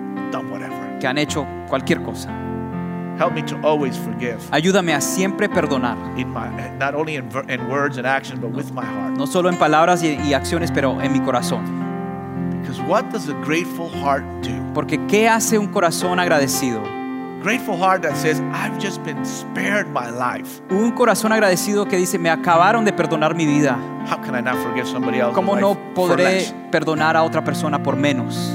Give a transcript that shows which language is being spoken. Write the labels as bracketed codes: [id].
[en] done [es] que han hecho cualquier cosa. [en] Help me to always forgive. [es] Ayúdame a siempre perdonar. No solo en palabras y acciones, pero en mi corazón. [en] Because what does a grateful heart do? [es] Porque ¿qué hace un corazón agradecido? [en] Grateful heart that says, I've just been spared my life. [es] Un corazón agradecido que dice, me acabaron de perdonar mi vida. [en] How can I not forgive somebody else? [es] ¿Cómo no podré perdonar a otra persona por menos?